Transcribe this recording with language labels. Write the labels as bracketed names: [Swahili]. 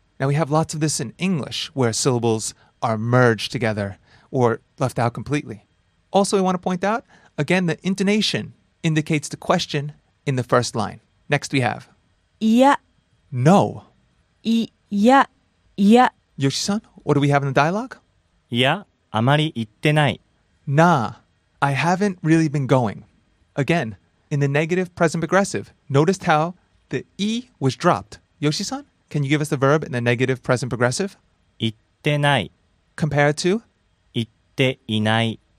[English] Now, we have lots of this in English, where syllables are merged together or left out completely. Also, I want to point out, again, the intonation indicates the question in the first line. Next we have... [Japanese] いや. [English] No. [Japanese] いや.いや. [English] Yoshi-san, what do we have in the dialogue? [Japanese] いや, あまり行ってない. [English] Nah, I haven't really been going. Again, in the negative present progressive, notice how the E was dropped. Yoshi-san, can you give us the verb in the negative present progressive? [Japanese] 行ってない. [English] Compared to? [Japanese] 行っていない.